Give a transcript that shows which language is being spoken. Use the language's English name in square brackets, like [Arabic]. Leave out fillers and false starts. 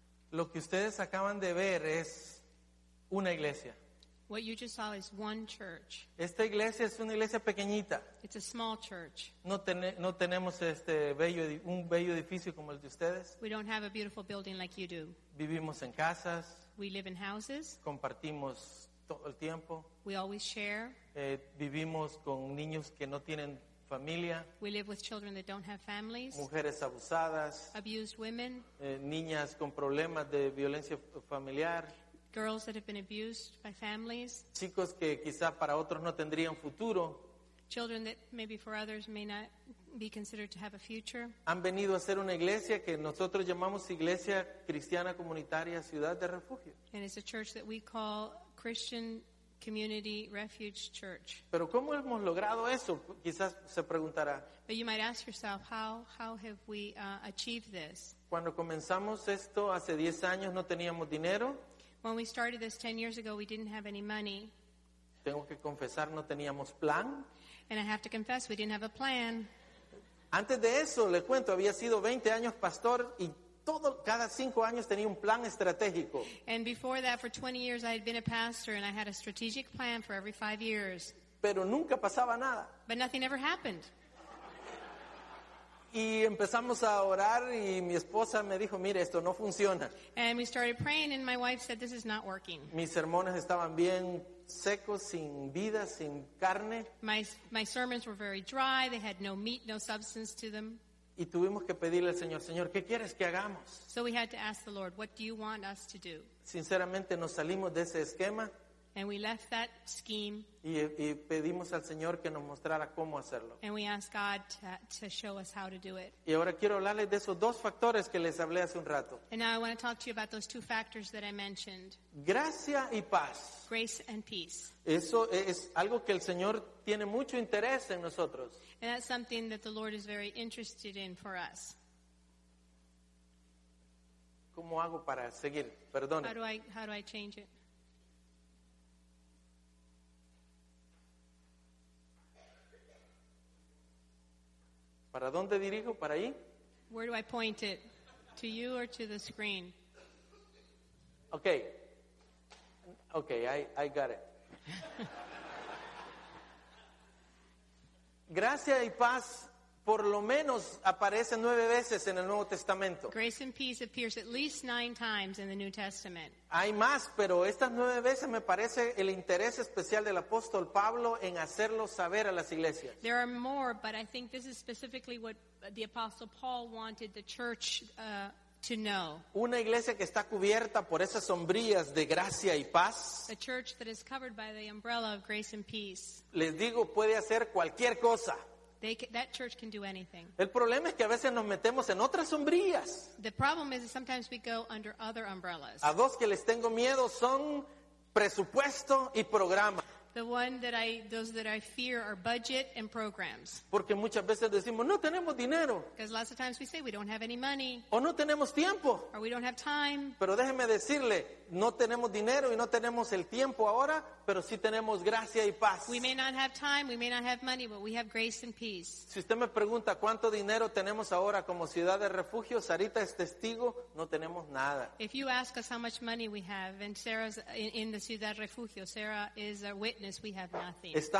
[Spanish] Lo que ustedes acaban de ver es una iglesia. [English] What you just saw is one church. [Spanish] Esta iglesia es una iglesia pequeñita. [English] It's a small church. [Spanish] No tenemos este bello, un bello edificio como el de ustedes. [English] We don't have a beautiful building like you do. [Spanish] Vivimos en casas. [English] We live in houses. [Spanish] Compartimos todo el tiempo. [English] We always share. [Spanish] Vivimos con niños que no tienen familia. [English] We live with children that don't have families. [Spanish] Mujeres abusadas. [English] Abused women. [Spanish] Niñas con problemas de violencia familiar. [English] Girls that have been abused by families. [Spanish] Chicos que quizá para otros no tendrían futuro. [English] Children that maybe for others may not be considered to have a future. [Spanish] Han venido a ser una iglesia que nosotros llamamos Iglesia Cristiana Comunitaria Ciudad de Refugio. [English] And it's a church that we call Christian Community Refuge Church. [Spanish] Pero ¿cómo hemos logrado eso? Quizás se preguntará. [English] But you might ask yourself, how have we achieved this? [Spanish] Cuando comenzamos esto hace 10 años no teníamos dinero. [English] When we started this 10 years ago, we didn't have any money. [Spanish] Tengo que confesar, no teníamos plan. [English] And I have to confess, we didn't have a plan. [Spanish] Antes de eso, le cuento, había sido 20 años pastor y todo, cada 5 años tenía un plan estratégico. [English] And before that, for 20 years, I had been a pastor and I had a strategic plan for every 5 years. [Spanish] Pero nunca pasaba nada. [English] But nothing ever happened. [Spanish] Y empezamos a orar y mi esposa me dijo, mire, esto no funciona. [English] And we started praying and my wife said, this is not working. [Spanish] Mis sermones estaban bien secos, sin vida, sin carne. [English] My sermons were very dry, they had no meat, no substance to them. [Spanish] Y tuvimos que pedirle al Señor, Señor, ¿qué quieres que hagamos? [English] So we had to ask the Lord, what do you want us to do? [Spanish] Sinceramente, nos salimos de ese esquema. [English] And we left that scheme. [Spanish] Y pedimos al Señor que nos mostrara cómo hacerlo. [English] And we asked God to show us how to do it. [Spanish] Y ahora quiero hablarles de esos dos factores que les hablé hace un rato. [English] And now I want to talk to you about those two factors that I mentioned. [Spanish] Gracia y paz. [English] Grace and peace. [Spanish] Eso es algo que el Señor tiene mucho interés en nosotros. [English] And that's something that the Lord is very interested in for us. [Spanish] ¿Cómo hago para seguir? Perdón. [English] How do I change it? [Spanish] ¿Para dónde dirijo? ¿Para ahí? [English] Where do I point it? To you or to the screen? Okay. Okay, I got it. [Spanish] Gracia y paz por lo menos aparecen 9 veces en el Nuevo Testamento. [English] Grace and peace appears at least 9 times in the New Testament. [Spanish] Hay más, pero estas 9 veces me parece el interés especial del apóstol Pablo en hacerlo saber a las iglesias. [English] There are more, but I think this is specifically what the apostle Paul wanted the church to know. [Spanish] Una iglesia que está cubierta por esas sombrillas de gracia y paz. [English] A church that is covered by the umbrella of grace and peace. [Spanish] Les digo, puede hacer cualquier cosa. [English] That church can do anything. [Spanish] El problema es que a veces nos metemos en otras sombrillas. [English] The problem is that sometimes we go under other umbrellas. [Spanish] A dos que les tengo miedo son presupuesto y programa. [English] Those that I fear are budget and programs. [Spanish] Porque muchas veces decimos, no tenemos dinero. [English] Because lots of times we say we don't have any money. [Spanish] O no tenemos tiempo. [English] Or we don't have time. [Spanish] Pero déjeme decirle, no tenemos dinero y no tenemos el tiempo ahora, pero sí tenemos gracia y paz. [English] We may not have time, we may not have money, but we have grace and peace. [Spanish] Si usted me pregunta cuánto dinero tenemos ahora como ciudad de refugio, Sarita es testigo, no tenemos nada. [English] If you ask us how much money we have, and Sarah's in the ciudad refugio, Sarah is a witness, we have nothing.